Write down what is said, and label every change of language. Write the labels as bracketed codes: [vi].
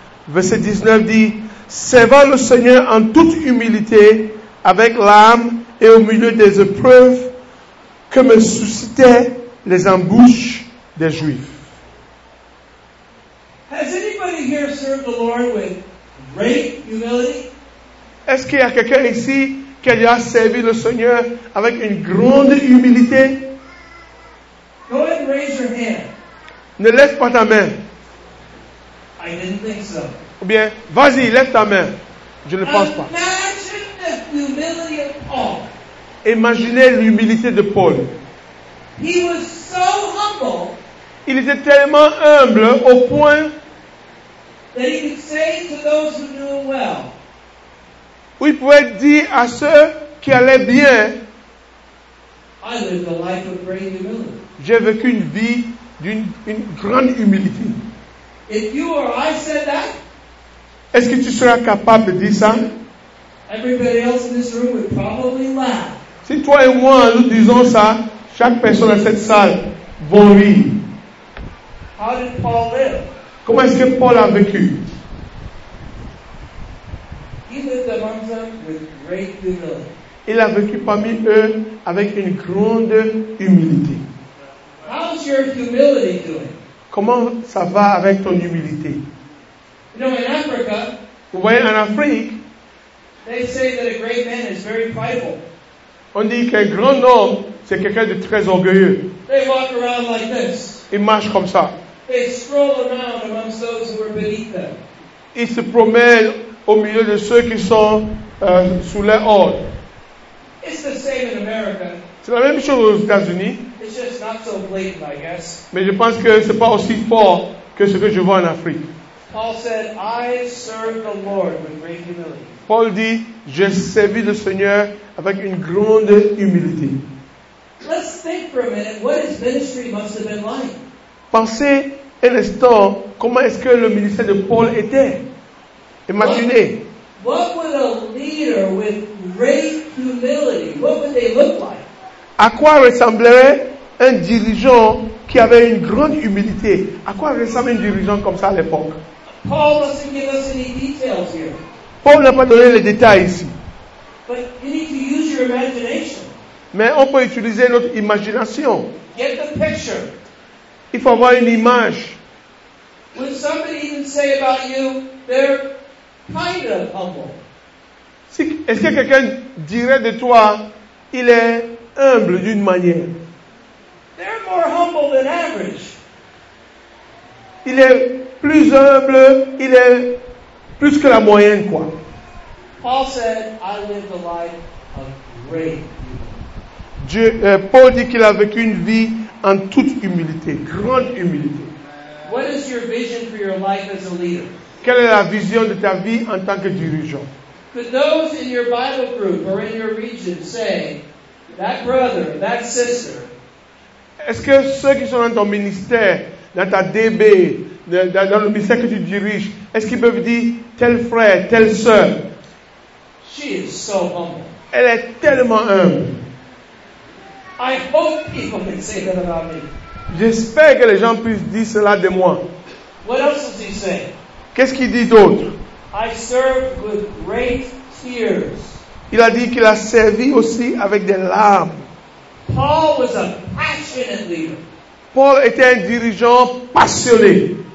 [fr] Verset 19 dit, « Servant le Seigneur en toute humilité, avec l'âme et au milieu des épreuves que me suscitaient les embûches des Juifs. » [en] Has anybody here served the Lord with great humility? [fr] Est-ce qu'il y a quelqu'un ici qui a déjà servi le Seigneur avec une grande humilité? [en] Go ahead and raise your hand. [fr] Ne lève pas ta main. [en] I didn't think so. [fr] Ou bien, vas-y, lève ta main. Je ne pense pas. [en] Imagine the humility of Paul. [fr] Imaginez l'humilité de Paul. [en] He was so humble. [fr] Il était tellement humble au point [en] that he could say to those who knew him well, [fr] où il pouvait dire à ceux qui allaient bien, [en] I lived a life of great humility. [fr] J'ai vécu une vie d'une une grande humilité. [en] If you or I said that, [fr] est-ce que tu seras capable de dire ça? [en] Everybody else in this room would probably laugh. [fr] Si toi et moi nous disons ça, chaque personne dans cette salle va rire. [en] How did Paul live? [fr] Comment est-ce que Paul a vécu? [en] He lived among them with great humility. [fr] Il a vécu parmi eux avec une grande humilité. [en] How's your humility doing? [fr] Comment ça va avec ton humilité? [en] You know, in Africa, [fr] vous voyez, en Afrique, [en] they say that a great man is very prideful. [fr] On dit qu'un grand homme, c'est quelqu'un de très orgueilleux. [en] They walk around like this. [fr] Ils marchent comme ça. [en] They stroll around amongst those who are beneath them. [fr] Ils se promènent au milieu de ceux qui sont sous leur ordre. [en] It's the same in America. [fr] C'est la même chose aux États-Unis. [en] It's just not so blatant, I guess. [fr] Mais je pense que ce n'est pas aussi fort que ce que je vois en Afrique. [en] Paul said, I serve the Lord with great humility. [fr] Paul dit, j'ai servi le Seigneur avec une grande humilité. [en] Let's think for a minute, what his ministry must have been like. [fr] Pensez un instant, comment est-ce que le ministère de Paul était? Imaginez. [en] What would a leader with great humility, what would they look like? [fr] À quoi ressemblerait un dirigeant qui avait une grande humilité? À quoi ressemble un dirigeant comme ça à l'époque? [en] Paul doesn't give us any details here. [fr] Paul n'a pas donné les détails ici. [en] But you need to use your imagination. [fr] Mais on peut utiliser notre imagination. [en] Get the picture. [fr] Il faut avoir une image. [en] Would somebody even say about you, they're kind of humble? [fr] Si, est-ce que quelqu'un dirait de toi, il est humble d'une manière? [en] They're more humble than average. [fr] Il est plus humble, il est plus que la moyenne, quoi. [en] Paul said, I lived a life of great humility. [fr] Paul dit qu'il a vécu une vie en toute humilité, grande humilité. [en] What is your vision for your life as a leader? [fr] Quelle est la vision de ta vie en tant que dirigeant? [en] Could those in your Bible group or in your region say, that brother, that sister? [fr] Est-ce que ceux qui sont dans ton ministère, dans ta DB, dans le ministère que tu diriges, est-ce qu'ils peuvent dire tel frère, telle sœur? [en] She is so humble. [fr] Elle est tellement humble. [en] I hope people can say that about me. [fr] J'espère que les gens puissent dire cela de moi. [en] What else does he say? [fr] Qu'est-ce qu'il dit d'autre? [en] I serve with great tears. [fr] Il a dit qu'il a servi aussi avec des larmes. [en] Paul was a passionate leader. [fr] Paul était un dirigeant passionné.